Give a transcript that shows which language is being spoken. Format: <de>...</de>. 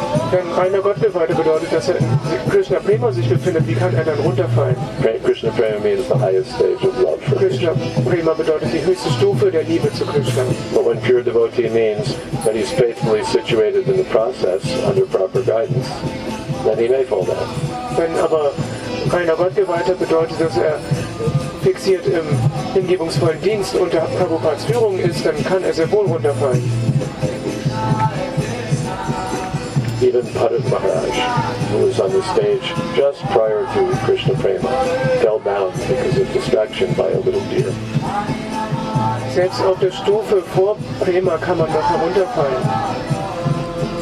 <de>Wenn reiner Gottgeweihte bedeutet, dass er in Krishna Prema sich befindet, wie kann er dann runterfallen?</de> <en>Krishna Prema means the highest stage of love for Krishna.</en> <de>Krishna Prema bedeutet die höchste Stufe der Liebe zu Krishna.</de> <en>But when pure devotee means that he's faithfully situated in the process under proper guidance, then he may fall down.</en> <de>Wenn aber reiner Gottgeweihte bedeutet, dass er fixiert im hingebungsvollen Dienst unter Prabhupadas Führung ist, dann kann er sehr wohl runterfallen.</de> <en>Even Parit Maharaj, who was on the stage just prior to Krishna Prema, fell down because of distraction by a little deer.</en> <de>Selbst auf der Stufe vor Prema kann man noch herunterfallen.</de>